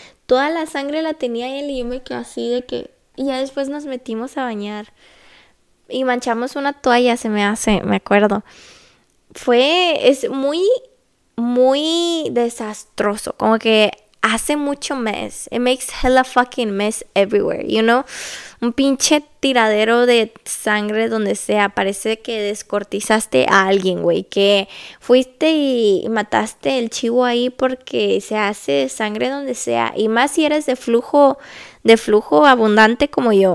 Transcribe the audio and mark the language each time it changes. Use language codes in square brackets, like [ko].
[es] Toda la sangre la tenía él y yo me quedé así de que... Y ya después nos metimos a bañar. Y manchamos una toalla, me acuerdo. Es muy, muy desastroso. Como que hace mucho mess. [en] It makes hella fucking mess everywhere, you know? [es] Un pinche tiradero de sangre donde sea. Parece que descuartizaste a alguien, güey. Que fuiste y mataste el chivo ahí porque se hace sangre donde sea. Y más si eres de flujo abundante como yo.